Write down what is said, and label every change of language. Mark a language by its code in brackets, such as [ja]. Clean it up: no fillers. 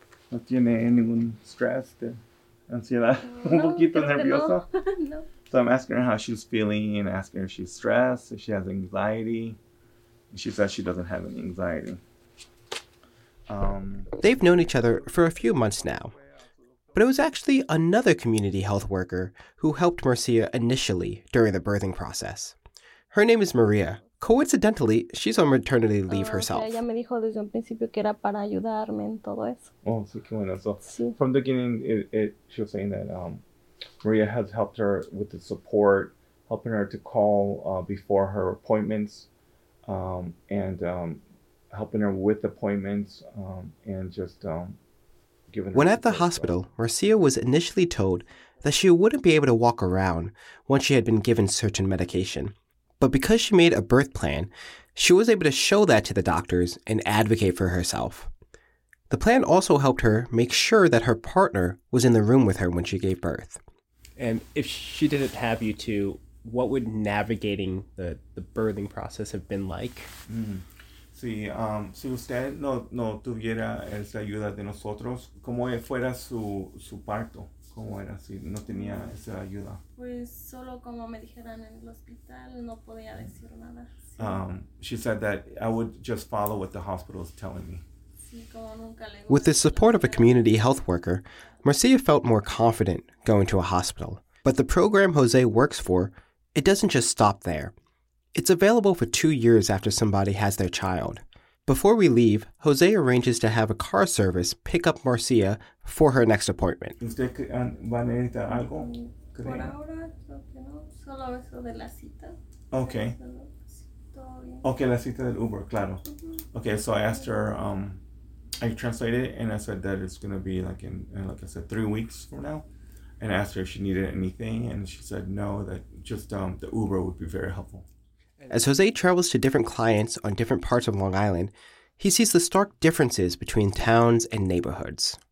[es] ¿No tiene ningún stress, de ansiedad? No, un poquito nervioso? No. No. [en] So I'm asking her how she's feeling, and asking her if she's stressed, if she has anxiety. She says she doesn't have any anxiety. They've known each other for a few months now, but it was actually another community health worker who helped Marcia initially during the birthing process. Her name is Maria. Coincidentally, she's on maternity leave herself. [es] Ella me dijo desde un principio que era para ayudarme en todo eso. Oh, sí, qué bueno. [en] So from the beginning, she was saying that Maria has helped her with the support, helping her to call before her appointments, and helping her with appointments, giving her... When at the hospital, Marcia was initially told that she wouldn't be able to walk around once she had been given certain medication. But because she made a birth plan, she was able to show that to the doctors and advocate for herself. The plan also helped her make sure that her partner was in the room with her when she gave birth. And if she didn't have you two, what would navigating the birthing process have been like? [es] Si usted no tuviera esa ayuda de nosotros, ¿cómo fuera su parto? ¿Cómo era si no tenía esa ayuda? Pues solo como me dijeran en el hospital, no podía decir nada. [en] She said that I would just follow what the hospital is telling me. With the support of a community health worker, Marcia felt more confident going to a hospital. But the program Jose works for, it doesn't just stop there. It's available for 2 years after somebody has their child. Before we leave, Jose arranges to have a car service pick up Marcia for her next appointment. [es] ¿Usted va a necesitar algo? Por ahora, creo que no. Solo eso de la cita. Okay. Okay, la cita del Uber, claro. Mm-hmm. [en] Okay, so I asked her, I translated it, and I said that it's going to be like in, like I said, 3 weeks from now. And I asked her if she needed anything, and she said no, that just the Uber would be very helpful. As Jose travels to different clients on different parts of Long Island, he sees the stark differences between towns and neighborhoods.